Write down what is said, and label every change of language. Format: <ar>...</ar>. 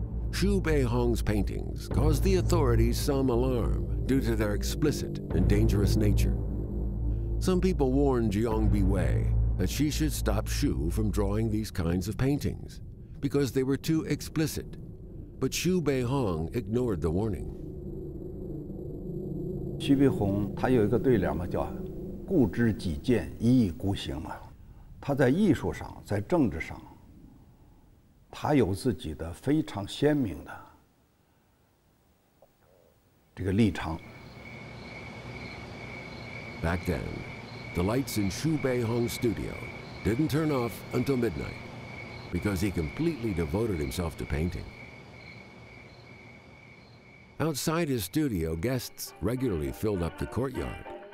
<en>Xu Beihong's paintings caused the authorities some alarm due to their explicit and dangerous nature. Some people warned Zhong Biwei that she should stop Xu from drawing these kinds of paintings because they were too explicit. But Xu Beihong ignored the warning.</en> <zh>徐悲鸿他有一个对联嘛，叫固执己见，一意孤行嘛。他在艺术上，在政治上，他有自己的非常鲜明的这个立场。</zh> <en>Back then, The lights in Xu Beihong's studio didn't turn off until midnight because he completely devoted himself to painting. Outside his studio, guests regularly filled up the courtyard.</en>